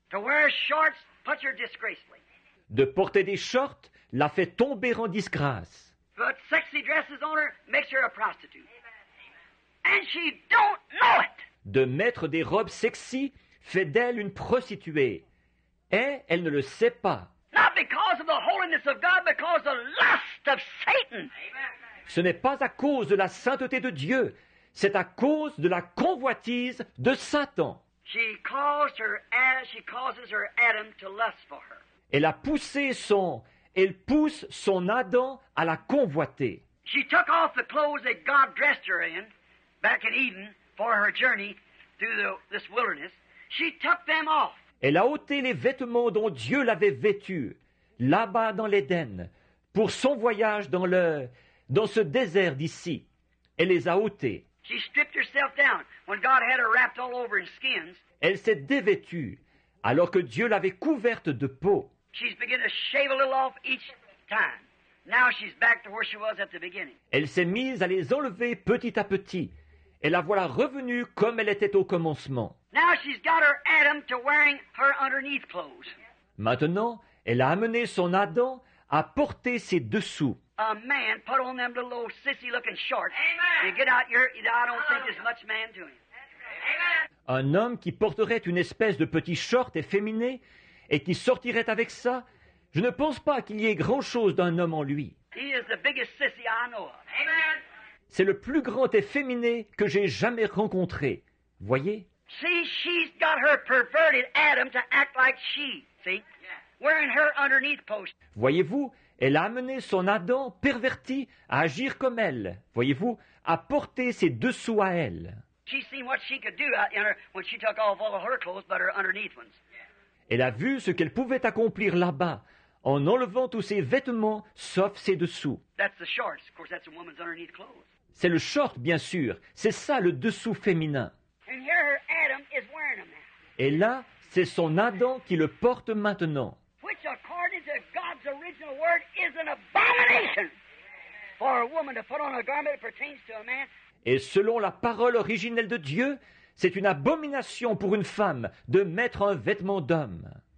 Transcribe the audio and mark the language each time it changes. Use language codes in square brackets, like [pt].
[en] To wear shorts puts her disgracefully. [fr] De porter des shorts la fait tomber en disgrâce. [en] But sexy dresses on her makes her a prostitute. And she don't know it. [fr] De mettre des robes sexy fait d'elle une prostituée. Et elle ne le sait pas. [en] Not because of the holiness of God, because of the lust of Satan. Amen. [fr] Ce n'est pas à cause de la sainteté de Dieu. C'est à cause de la convoitise de Satan. [en] She causes her Adam to lust for her. [fr] Elle a poussé son... Elle pousse son Adam à la convoiter. [en] She took off the clothes that God dressed her in. Back in Eden, for her journey through this wilderness, she took them off. [fr] Elle a ôté les vêtements dont Dieu l'avait vêtue, là-bas dans l'Éden, pour son voyage dans ce désert d'ici. Elle les a ôtés. [en] She stripped herself down when God had her wrapped all over in skins. [fr] Elle s'est dévêtue alors que Dieu l'avait couverte de peau. [en] She's begun to shave a little off each time. Now she's back to where she was at the beginning. [fr] Elle s'est mise à les enlever petit à petit. Et la voilà revenue comme elle était au commencement. [en] Now she's got her Adam to wearing her underneath clothes. [fr] Maintenant, elle a amené son Adam à porter ses dessous. [en] A man put on them little old sissy looking shorts. Amen. You get out here, I don't think there's much man doing. Amen. [fr] Un homme qui porterait une espèce de petit short efféminé et qui sortirait avec ça, je ne pense pas qu'il y ait grand-chose d'un homme en lui. [en] He is the biggest sissy I know of. Amen. [fr] C'est le plus grand efféminé que j'ai jamais rencontré. Voyez? [en] See, she's got her perverted Adam to act like she. See? Yeah. Wearing her underneath post. [fr] Voyez-vous? Elle a amené son Adam perverti à agir comme elle. Voyez-vous? À porter ses dessous à elle. [en] She's seen what she could do out in her when she took off all of her clothes but her underneath ones. [fr] Elle a vu ce qu'elle pouvait accomplir là-bas, en enlevant tous ses vêtements, sauf ses dessous. [en] That's the shorts. Of course, that's a woman's underneath clothes. [fr] C'est le short, bien sûr. C'est ça, le dessous féminin. [en] And here her Adam is wearing them. [fr] Et là, c'est son Adam qui le porte maintenant. [en] Which, according to God's original word, is an abomination for a woman to put on a garment that pertains to a man. [fr] Et selon la parole originelle de Dieu, c'est une abomination pour une femme de mettre un vêtement d'homme.